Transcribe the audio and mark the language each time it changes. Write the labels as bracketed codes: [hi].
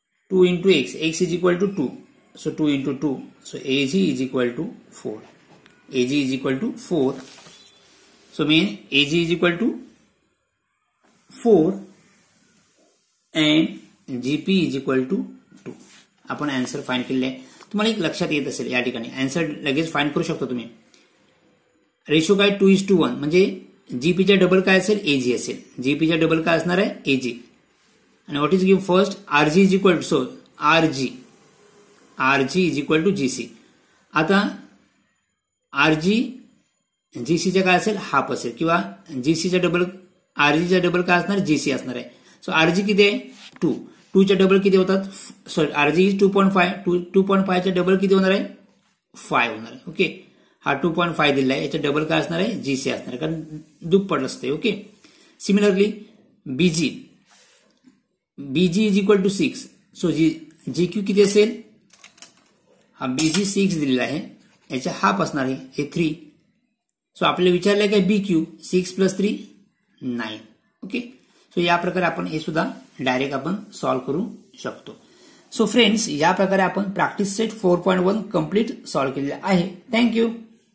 [en] Two into x, x is equal to two, so two into two, so A G is equal to four, A G is equal to four, so mean A G is equal to four and GP is equal to two. [hi] Upon answer find के लिए तुम्हारा एक लक्ष्य ये answer लगे find [mr] करू शकता [hi] तुम्हें. [en] ratio का two is two one, [mr] म्हणजे जीपी चा डबल काय असेल? एजी असेल. जीपी चा डबल काय असणार आहे? एजी. आणि [en] What is given first? RG is equal to, so RG, RG is equal to GC. [mr] आता आरजी जीसी चा काय असेल? हाफ असेल. किंवा जीसी चा डबल, आरजी चा डबल काय असणार? जीसी असणार आहे. [en] so RG [mr] किती आहे? टू. टू चा डबल किती होतात? [en] sorry, RG is [mr] two point five, to two point five चा डबल किती होणार आहे? [en] Five होणार आहे. [mr] ओके, हा टू पॉइंट फाइव दिलाय, याचा डबल काय असणार आहे? जीसी असणार आहे, कारण दुप्पट असते. [en] okay, similarly BG, BG is equal to six, [mr] so G G Q किती असेल? हा [en] BG six [mr] दिलेला आहे, याचा हाफ असणार आहे, हे थ्री. सो आपल्याला विचारलं काय? [en] B Q six plus three nine. [mr] Okay, so या प्रकारे आपण हे सुद्धा डायरेक्ट आपण सॉल्व्ह करू शकतो. सो फ्रेंड्स, या प्रकारे आपण प्रॅक्टिस सेट 4.1 कंप्लीट सॉल्व्ह केलेलं आहे. थँक्यू.